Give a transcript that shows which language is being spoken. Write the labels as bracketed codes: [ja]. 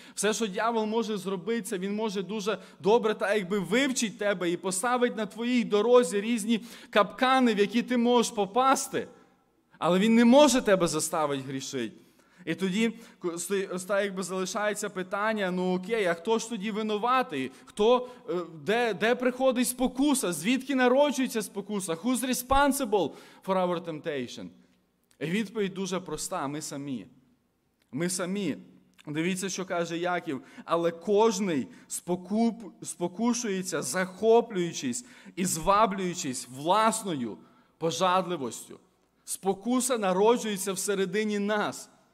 [uk] Все, що дьявол може зробити, це він може дуже добре так якби вивчити тебе і поставити на твоїй дорозі різні капкани, в які ти можеш попасти, але він не може тебе заставити грішити. І тоді якби залишається питання: ну окей, а хто ж тоді винуватий? Хто, де приходить спокуса? Звідки народжується спокуса? [en] Who's responsible for our temptation? [uk] І відповідь дуже проста: ми самі. Ми самі. Дивіться, що каже Яків: але кожний спокушується, захоплюючись і зваблюючись власною пожадливостю. Спокуса народжується всередині нас.